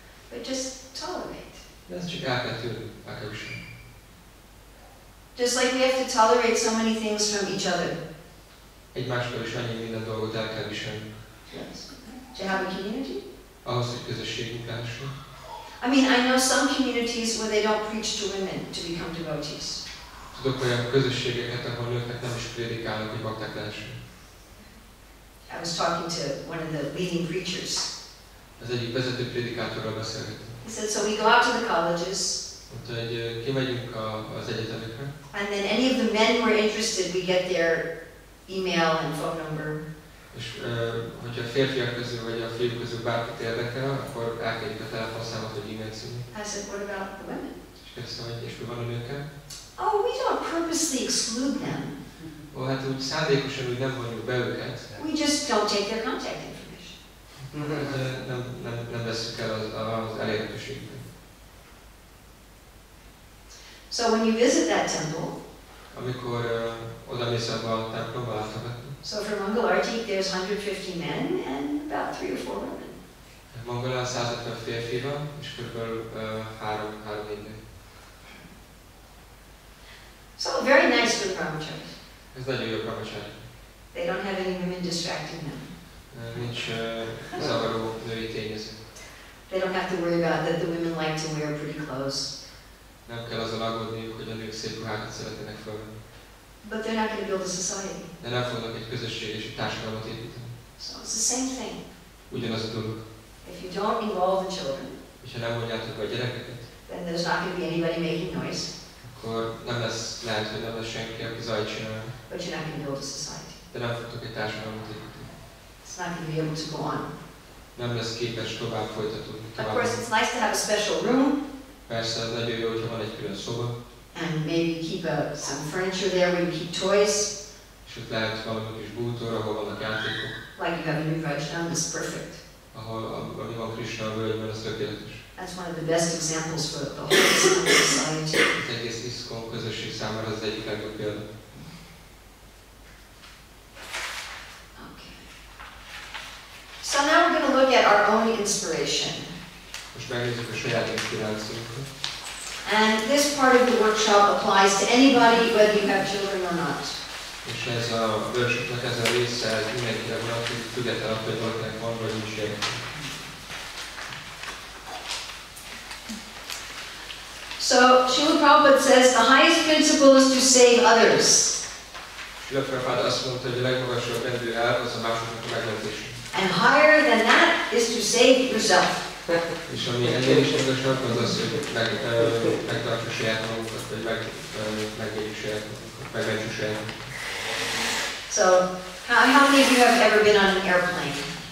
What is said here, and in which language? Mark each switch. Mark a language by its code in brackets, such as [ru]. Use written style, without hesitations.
[en] But just tolerate. [hu] De ezt csak el kell tűrni, el kell is. [en] Just like we have to tolerate so many things from each other. [hu] Egymástól is annyi minden dolgot el kell viselni. [en] Yes. Do you have a community? [hu] Ahhoz, hogy közösségünk lássa. [en] I mean, I know some communities where they don't preach to women to become devotees. [hu] Tudok olyan közösségeket, ahol nőknek nem is prédikálnak, hogy bakták lássa. [en] I was talking to one of the leading preachers. [hu] Az egyik vezető prédikátorral beszélgettem. [en] He said, so we go out to the colleges. [hu] Mondta, hogy kimegyünk az egyetemekre. [en] And then any of the men who are interested, we get their email and phone number. [hu] És hogyha a férfiak közül vagy a fiúk közül bárkit érdekel, akkor elkérjük a telefonszámot, hogy e-mail címét. [en] I said, what about the women? [hu] És kérdeztem, hogy és mi van a nőkkel? [en] Oh, we don't purposely exclude them. [hu] Ó, hát úgy szándékosan úgy nem vonjuk be őket. [en] We just don't take their contact information. [hu] nem veszük el az elérhetőségüket. [en] So when you visit that temple, [hu] amikor oda mész abba a templomba látogatni, [en] so for Mangalarti, there's 150 men and about 3 or 4 women. [hu] Mangalá 150 férfi van, és körülbelül 3-4 nő. [en] So very nice for the brahmacharis. [hu] Ez nagyon jó brahmacharis. [en] They don't have any women distracting them. [hu] Nincs zavaró női tényező. [en] They don't have to worry about that the women like to wear pretty clothes. [hu] Nem kell azzal aggódniuk, hogy a nők szép ruhákat szeretnének felvenni. [en] But they're not going to build a society. [hu] De nem fognak egy közösség és egy társadalmat építeni. [en] So it's the same thing. [hu] Ugyanaz a dolog. [en] If you don't involve the children, [hu] és ha nem vonjátok be a gyerekeket, [en] then there's not going to be anybody making noise. [hu] Akkor nem lesz, lehet, hogy nem lesz senki, aki zajt csinál. [en] But you're not going to build a society. [hu] De nem fogtok egy társadalmat építeni. [en] It's not going to be able to go on. [hu] Nem lesz képes tovább folytatódni. [en] Of course, it's nice to have a special room. [hu] Persze, ez nagyon jó, hogyha van egy külön szoba. [en] And maybe keep some furniture there where you keep toys. [hu] És ott lehet valami kis bútor, ahol vannak játékok. [en] Like you have a new Vajrasana, it's perfect. [hu] Ahol ami van Krisna a völgyben, az tökéletes. [en] That's one of the best examples for the whole society. [hu] Az egész ISKCON közösség számára az egyik legjobb példa. [en] Okay. So now we're going to look at our own inspiration. [hu] Most megnézzük a saját inspirációkat. [en] And this part of the workshop applies to anybody, whether you have children or not. [hu] És ez a workshopnak ez a része mindenkire vonatkozik, függetlenül attól, hogy valakinek van vagy nincs gyerek. [en] So, Srila Prabhupada says, the highest principle is to save others. [hu] Srila Prabhupada azt mondta, hogy a legmagasabb rendű elv az a másoknak a megmentés. [en] And higher than that is to save yourself. [hu] És ami ennél is magasabb, az az, hogy megtartsa saját magunkat, vagy megéljük saját magunkat, megmentsük saját magunkat. [en] So, how many of you have ever been on an airplane?